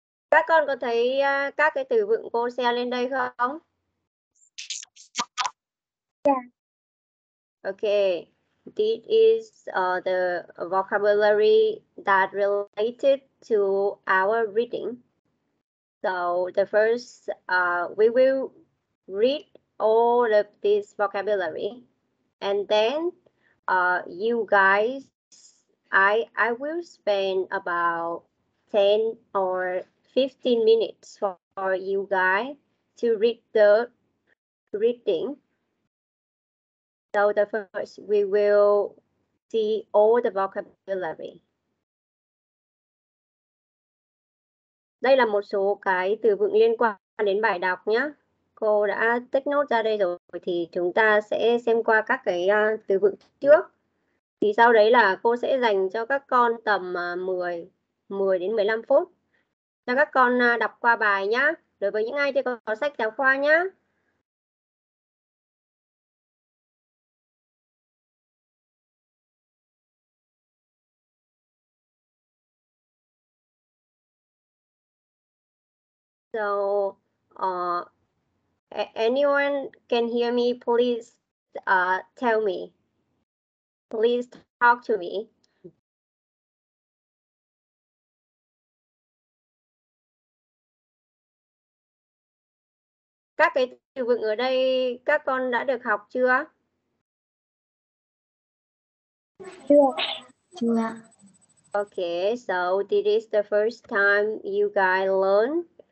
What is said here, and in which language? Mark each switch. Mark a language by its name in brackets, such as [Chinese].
[Vietnamese] Các con có thấy các cái từ vựng cô share lên đây không? [English] Yeah. Okay. This is the vocabulary that related to our reading. So the first, we will read all of this vocabulary, and then you guys, I will spend about 10 or 15 minutes for you guys to read the reading. So the first, we will see all the vocabulary. [Vietnamese] Đây là một số cái từ vựng liên quan đến bài đọc nhé. Cô đã take note ra đây rồi thì chúng ta sẽ xem qua các cái từ vựng trước. Thì sau đấy là cô sẽ dành cho các con tầm 10 đến 15 phút cho các con đọc qua bài nhá. Đối với những ai chưa có sách giáo khoa nhá. [English] So anyone can hear me, please tell me. Please talk to me. [Vietnamese] Các cái từ vựng ở đây các con đã được học chưa? Chưa. [English] Okay, so this is the first time you guys learn.